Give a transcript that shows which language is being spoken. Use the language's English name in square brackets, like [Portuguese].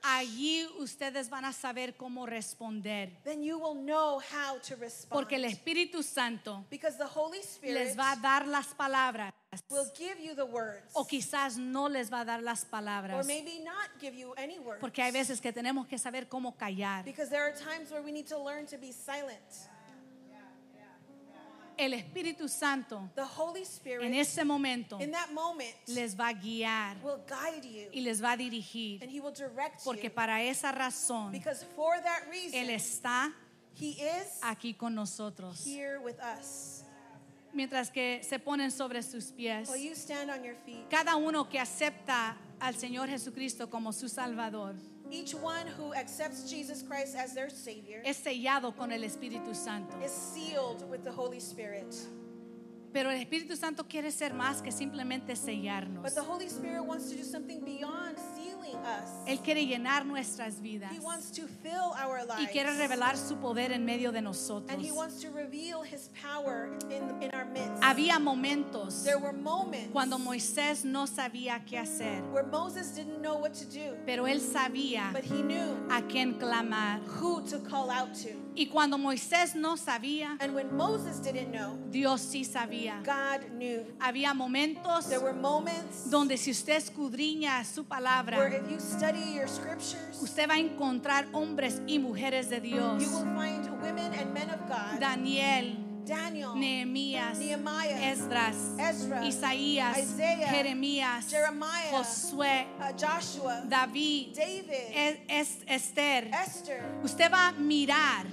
[Spanish] allí ustedes van a saber cómo responder, [English] then you will know how to respond, [Spanish] porque el Espíritu Santo, [English] because the Holy Spirit, [Spanish] les va a dar las palabras, [English] will give you the words, [Spanish] o quizás no les va a dar las palabras, [English] or maybe not give you any words, [Spanish] porque hay veces que tenemos que saber cómo callar, [English] because there are times where we need to learn to be silent. [Spanish] El Espíritu Santo, [English] the Holy Spirit, [Spanish] en ese momento, [English] in that moment, [Spanish] les va a guiar, [English] will guide you, [Spanish] y les va a dirigir, [English] and he will direct you, [Spanish] porque para esa razón, [English] because for that reason, [Spanish] él está, [English] he is, [Spanish] aquí con nosotros, [English] here with us. [Spanish] Mientras que se ponen sobre sus pies, [English] will you stand on your feet? [Spanish] Cada uno que acepta al Señor Jesucristo como su Salvador, [English] each one who accepts Jesus Christ as their Savior, [Spanish] es sellado con el Espíritu Santo, [English] is sealed with the Holy Spirit. [Spanish] Pero el Espíritu Santo quiere ser más que simplemente sellarnos. [English] But the Holy Spirit wants to do something beyond sealing us. [Spanish] Él quiere llenar nuestras vidas. [English] He wants to fill our lives. [Spanish] Y quiere revelar su poder en medio de nosotros. [English] And he wants to reveal his power in our midst. [Spanish] Había momentos, [English] there were moments, [Spanish] cuando Moisés no sabía qué hacer, [English] where Moses didn't know what to do. [Spanish] Pero él sabía, [English] but he knew, [Spanish] a quién clamar, [English] who to call out to. [Spanish] Y cuando Moisés no sabía, [English] and when Moses didn't know, [Spanish] Dios sí sabía. [English] God knew. [Spanish] Había momentos, [English] there were moments, [Spanish] donde si usted escudriña su palabra, [English] where if you study your scriptures, [Spanish] usted va a encontrar hombres y mujeres de Dios. [English] You will find women and men of God. [Spanish] Daniel, [English] Daniel, [Spanish] Nehemías, [English] Nehemiah, [Spanish] Esdras, [English] Ezra, [Spanish] Isaías, [English] Isaiah, [Spanish] Jeremías, [English] Jeremiah, [Spanish] Josué, [English] Joshua, [Spanish] David, [English] David, [Spanish] Esther. [English] Esther. [Spanish] Usted va a mirar,